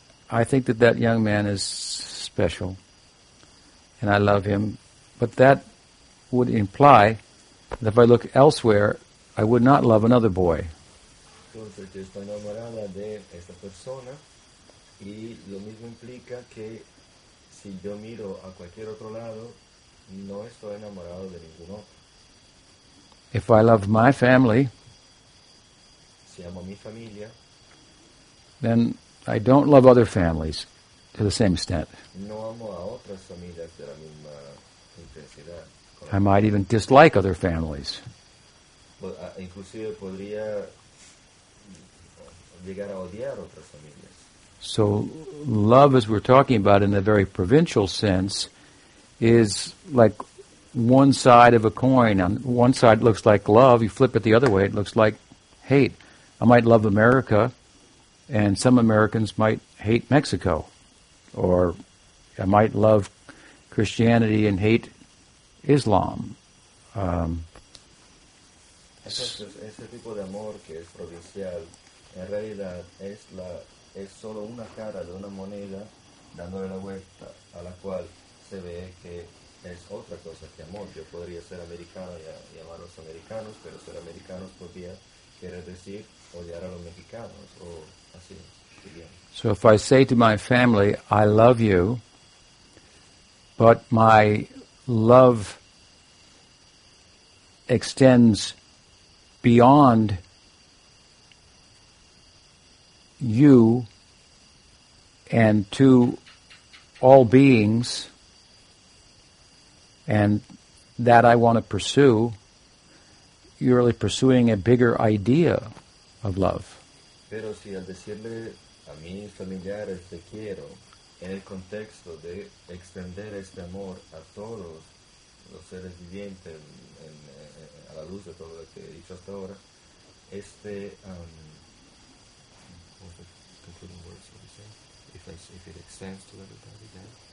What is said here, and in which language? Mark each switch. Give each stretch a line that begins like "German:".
English: I think that that young man is special, and I love him. But that would imply that if I look elsewhere, I would not love another boy.
Spanish: Entonces, yo estoy enamorada de esta persona, y lo mismo implica que si yo miro a cualquier otro lado, no estoy enamorado de ningún otro.
English: If I love my family,
Spanish: si amo mi familia,
English: then I don't love other families to the same extent.
Spanish: No amo a otras familias de la misma intensidad.
English: I might even dislike other families.
Spanish: Inclusive podría llegar a odiar otras familias.
English: So love, as we're talking about in the very provincial sense, is like one side of a coin. On one side looks like love. You flip it the other way, it looks like hate. I might love America, and some Americans might hate Mexico. Or I might love Christianity and hate Islam.
Spanish: Ese tipo de amor que es provincial, en realidad es solo una cara de una moneda dándole la vuelta, a la cual se ve que es otra cosa que amor. Yo podría ser americano y amar a los americanos, pero ser americano podría querer decir odiar a los mexicanos o así.
English: So if I say to my family, I love you, but my love extends beyond you and to all beings, and that I want to pursue, you're really pursuing a bigger idea of love.
Spanish: Pero si al decirle a mis familiares te quiero, en el contexto de extender este amor a todos los seres vivientes, a la luz de todo lo que he dicho hasta ahora,
English: if it extends to everybody, then...